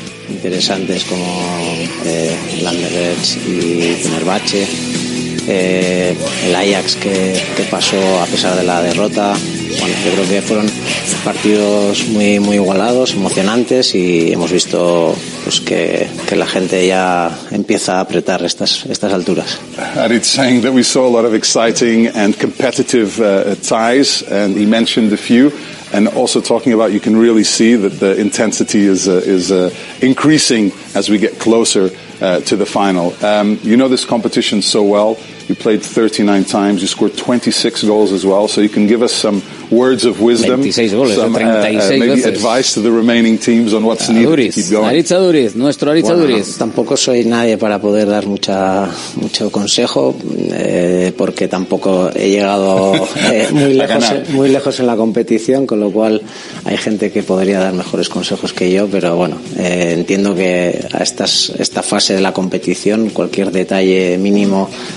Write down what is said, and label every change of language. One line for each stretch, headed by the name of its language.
Spanish: Interesantes como Landeretz y Fenerbahce. El Ajax que pasó a pesar de la derrota. Bueno, yo creo que fueron partidos muy muy igualados, emocionantes, y hemos visto pues que la gente ya empieza a apretar estas alturas.
English: Aritz saying that we saw a lot of exciting and competitive ties, and he mentioned a few, and also talking about you can really see that the intensity is increasing as we get closer to the final. You know this competition so well. You played 39 times, you scored 26 goals as well, so you can give us some words of wisdom, 26 goals, some 36 maybe goals. Advice to the remaining teams on what's needed Aduriz, to keep going.
Spanish: Aritz Aduriz, nuestro Aritz Aduriz. Bueno, tampoco soy nadie para poder dar mucho consejo, porque tampoco he llegado muy lejos en la competición, con lo cual hay gente que podría dar mejores consejos que yo, pero bueno, entiendo que a esta fase de la competición cualquier detalle mínimo